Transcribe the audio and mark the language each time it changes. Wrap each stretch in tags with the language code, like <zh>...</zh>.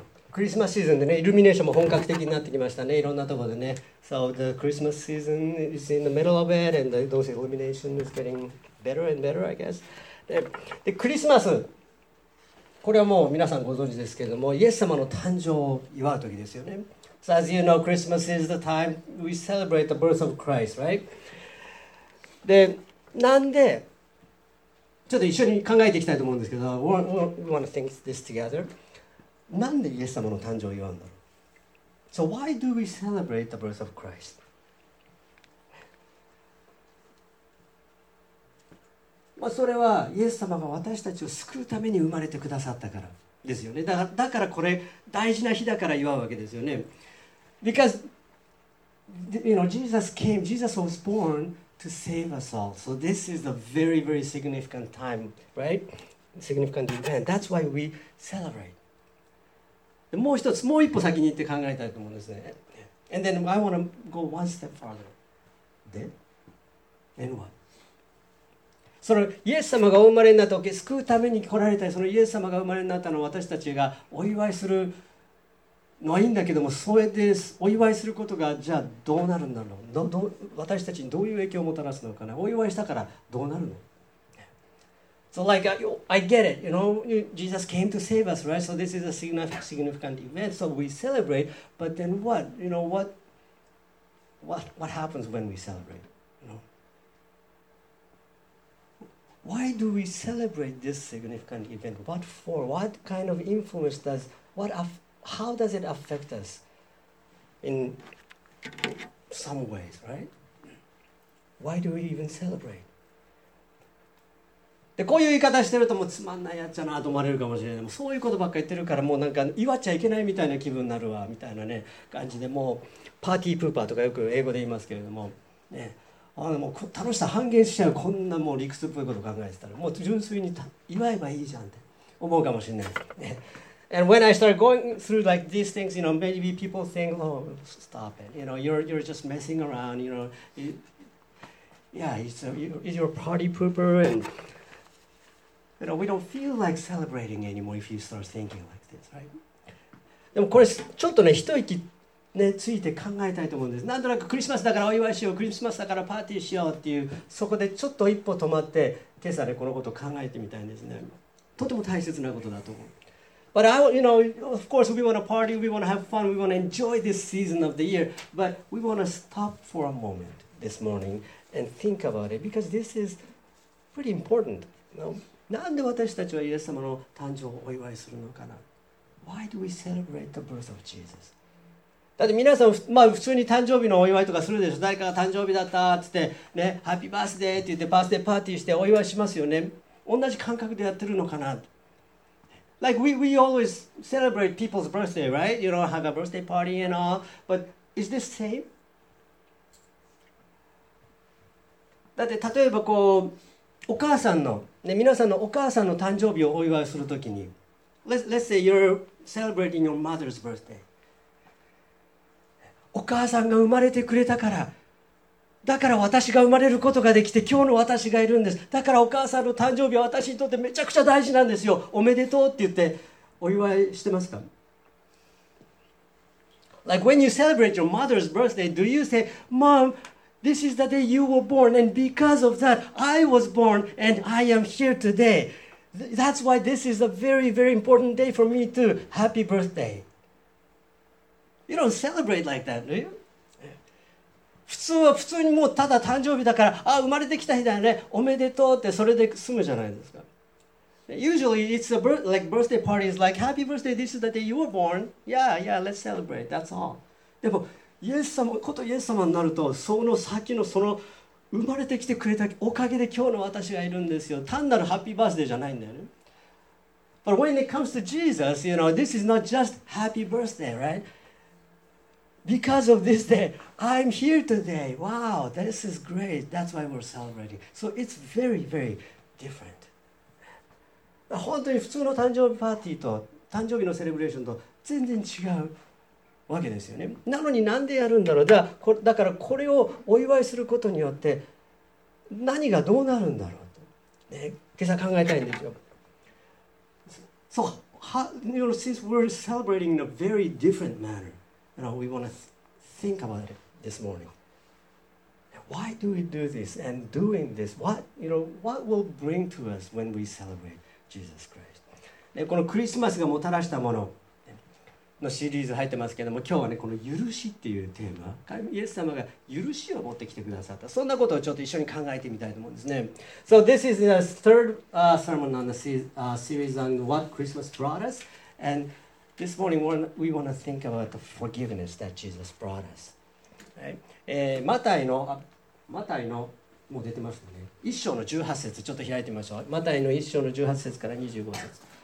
<ja>クリスマスシーズンでね、イルミネーションも本格的になってきましたね、いろんなところでね。</ja> <en>So the Christmas season is in the middle of it, and those illumination is getting better and better, I guess.</en> <ja>で、クリスマス、これはもう皆さんご存知ですけれども、イエス様の誕生を祝う時ですよね。</ja> <en>So as you know, Christmas is the time we celebrate the birth of Christ, right?</en> <ja>で、なんで、ちょっと一緒に考えていきたいと思うんですけど、</ja> <en>we want to think this together.</en> <ja>なんでイエス様の誕生を祝うんだろう。</ja> <en>So why do we celebrate the birth of Christ?</en> <ja>まあそれはイエス様が私たちを救うために生まれてくださったからですよね。だからこれ大事な日だから祝うわけですよね。</ja> <en>Because you know, Jesus came, Jesus was born to save us all. So this is a very, very significant time, right? Significant event. That's why we celebrate.</en> <ja>もう一つ、もう一歩先に行って考えたいと思うんですね。</ja> <en>And then I want to go one step further. Then what?</en> <ja>そのイエス様がお生まれになった時、救うために来られた、そのイエス様がお生まれになったのを私たちがお祝いするのはいいんだけども、それでお祝いすることがじゃあどうなるんだろう。私たちにどういう影響をもたらすのかな。お祝いしたからどうなるの。</ja> <en>So like, I get it, you know, Jesus came to save us, right? So this is a significant event, so we celebrate, but then what? You know, what happens when we celebrate? You know? Why do we celebrate this significant event? What for? What kind of influence does, how does it affect us in some ways, right? Why do we even celebrate?</en> <ja>でこういう言い方してるともうつまんないやっちゃなと思われるかもしれない。もうそういうことばっかり言ってるからもうなんか祝っちゃいけないみたいな気分になるわみたいなね感じで、もうパーティープーパーとかよく英語で言いますけれども、ね、あのもう楽しさ半減しちゃう、こんなもう理屈っぽいこと考えてたらもう純粋に祝えばいいじゃんって思うかもしれない、ね、</ja> <en>And when I start going through like these things, you know, maybe people think, oh, stop it, you know, you're just messing around, you know, you're a party pooper andYou know, we don't feel like celebrating anymore if you start thinking like this, right?</en> <ja>でもこれちょっとね一息ねついて考えたいと思うんです。なんとなくクリスマスだからお祝いしよう、クリスマスだからパーティーしようっていう、そこでちょっと一歩止まって今朝でこのことを考えてみたいんですね。とても大切なことだと思う。</ja> <en>But I, you know, of course we want to party, we want to have fun, we want to enjoy this season of the year, but we want to stop for a moment this morning and think about it because this is pretty important, you know?</en> <ja>なんで私たちはイエス様の誕生をお祝いするのかな。</ja> <en>Why do we celebrate the birth of Jesus?</en> <ja>だって皆さん、まあ、普通に誕生日のお祝いとかするでしょ。誰かが誕生日だったって言って、ね、ハッピーバースデーって言ってバースデーパーティーしてお祝いしますよね。同じ感覚でやってるのかな。</ja> <en>Like we always celebrate people's birthday, right? You know, have a birthday party and all. But is this same?</en> <ja>だって例えばこうお母さんの、ね、皆さんのお母さんの誕生日をお祝いするときに、</ja> <en>Let's say you're celebrating your mother's birthday.</en> <ja>お母さんが生まれてくれたから、だから私が生まれることができて、今日の私がいるんです。だからお母さんの誕生日は私にとってめちゃくちゃ大事なんですよ。おめでとうって言ってお祝いしてますか？</ja> <en>Like when you celebrate your mother's birthday, do you say, Mom,This is the day you were born, and because of that, I was born, and I am here today. That's why this is a very, very important day for me too. Happy birthday. You don't celebrate like that, do you?</en> <ja>普通にもうただ誕生日だから、あ、生まれてきた日だよね。おめでとうってそれで済むじゃないですか。</ja> <en>Usually, it's a birthday party. It's like, happy birthday, this is the day you were born. Yeah, yeah, let's celebrate, that's all.</en> <ja>でもイエス様ことイエス様になると、その先のその生まれてきてくれたおかげで今日の私がいるんですよ。単なるハッピーバースデーじゃないんだよね。</ja> <en>But when it comes to Jesus, you know, this is not just happy birthday, right? Because of this day, I'm here today. Wow, this is great. That's why we're celebrating. So it's very, very different.</en> <ja>本当に普通の誕生日パーティーと誕生日のセレブレーションと全然違う。わけですよね。なのになんでやるんだろう。だからこれをお祝いすることによって何がどうなるんだろうと、ね、今朝考えたいんですよ。</ja> <en>So since we're celebrating in a very different manner, you know, we want to think about it this morning. Why do we do this? And doing this, what will bring to us when we celebrate Jesus Christ?</en> <ja>このクリスマスがもたらしたもののシリーズ入ってますけども、今日はね、この許しっていうテーマ、イエス様が許しを持ってきてくださった、そんなことをちょっと一緒に考えてみたいと思うんですね。</ja> <en>So this is the third sermon on the series on what Christmas brought us. And this morning we want to think about the forgiveness that Jesus brought us.</en> <ja>マタイのもう出てますね。一章の18節ちょっと開いてみましょう。マタイの一章の18節から25節。</ja>